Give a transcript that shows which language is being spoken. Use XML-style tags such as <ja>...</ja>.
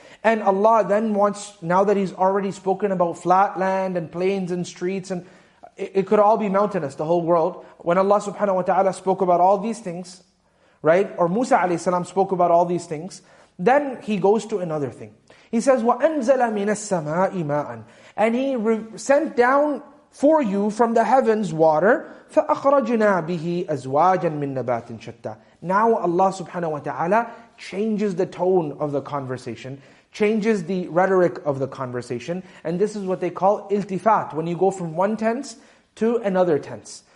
<en>And Allah then wants, now that He's already spoken about flat land and plains and streets, and it could all be mountainous, the whole world. When Allah subhanahu wa ta'ala spoke about all these things, right? Or Musa alayhi salam spoke about all these things. Then he goes to another thing. He says,</en> <ar>وَأَنْزَلَ مِنَ السَّمَاءِ مَاءً.</ar> <en>And he sent down for you from the heavens water.</en> <ar>فَأَخْرَجْنَا بِهِ أَزْوَاجًا مِنْ نَبَاتٍ شَتَّى.</ar> <en>Now Allah subhanahu wa ta'ala changes the tone of the conversation, changes the rhetoric of the conversation. And this is what they call iltifat. When you go from one tense to another tense.</en>